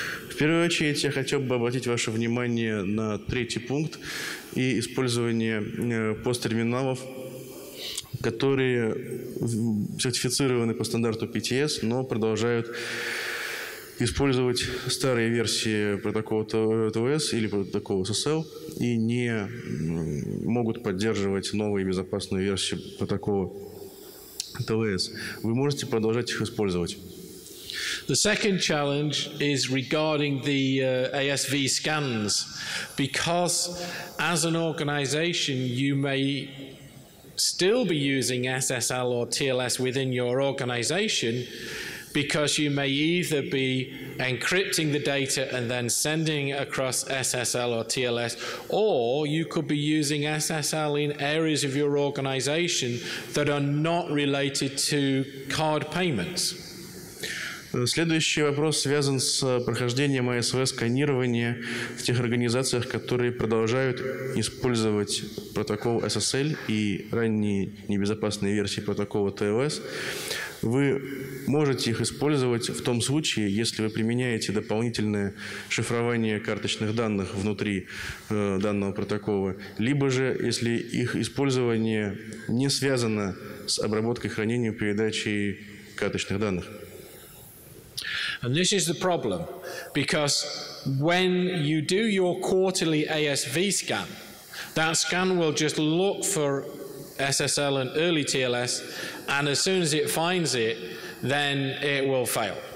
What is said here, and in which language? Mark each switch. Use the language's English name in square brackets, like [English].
[Russian] В первую очередь я хотел бы обратить ваше внимание на третий пункт и использование посттерминалов, которые сертифицированы по стандарту PTS, но продолжают использовать старые версии протокола TLS или протокола SSL и не могут поддерживать новую безопасную версию протокола TLS. Вы можете продолжать их использовать. [English] The second challenge is regarding the ASV scans, because as an organization, you may still be using SSL or TLS within your organization, because you may either be encrypting the data and then sending across SSL or TLS, or you could be using SSL in areas of your organization that are not related to card payments. [Russian] Следующий вопрос связан с прохождением ASV-сканирования в тех организациях, которые продолжают использовать протокол SSL и ранние небезопасные версии протокола TLS. Вы можете их использовать в том случае, если вы применяете дополнительное шифрование карточных данных внутри данного протокола, либо же если их использование не связано с обработкой, хранением, передачей карточных данных. [English] And this is the problem, because when you do your quarterly ASV scan, that scan will just look for SSL and early TLS, and as soon as it finds it, then it will fail.